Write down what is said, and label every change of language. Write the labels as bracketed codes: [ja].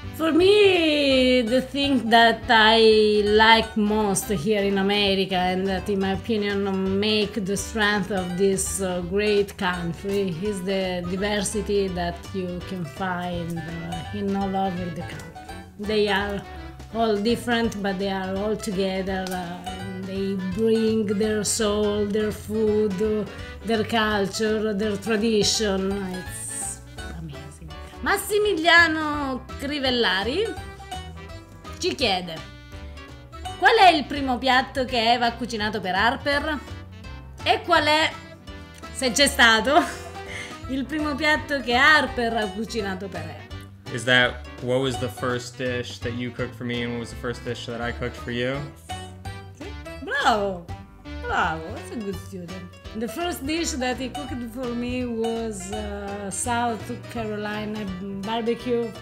[en] For me, the thing that I like most here in America and that, in my opinion, make the strength of this great country is the diversity that you can find in all over the country. They are all different, but they are all together. They bring their soul, their food, their culture, their tradition. It's amazing. [it] Massimiliano Crivellari ci chiede, qual è il primo piatto che Eva ha cucinato per Harper? E qual è, se c'è stato, il primo piatto che Harper ha cucinato per Eva? [en] Is that, what was the first dish that you cooked for me and what was the first dish that I cooked for you? Bravo, that's a good student. The first dish that he cooked for me was South Carolina barbecue.